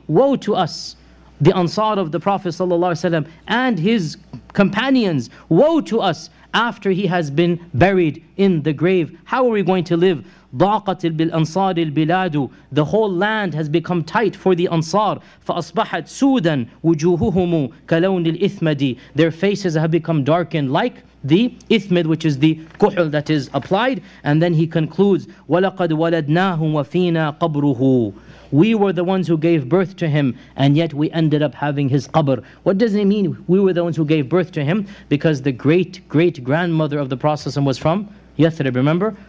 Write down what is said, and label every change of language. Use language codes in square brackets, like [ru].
[en] Woe to us, the Ansar of the Prophet ﷺ and his companions. Woe to us after he has been buried in the grave. How are we going to live? [ar] ضاقت بالأنصار البلاد. [en] The whole land has become tight for the Ansar. [ar] فأصبحت سودا وجوههم كلون الإثمد. [en] Their faces have become darkened like the إثمد, which is the كحل that is applied. And then he concludes, [ar] ولقد ولدناهم وفينا قبره. [en] We were the ones who gave birth to him, and yet we ended up having his qabr. What does it mean, we were the ones who gave birth to him? Because the great-great-grandmother of the Prophet was from Yathrib, remember?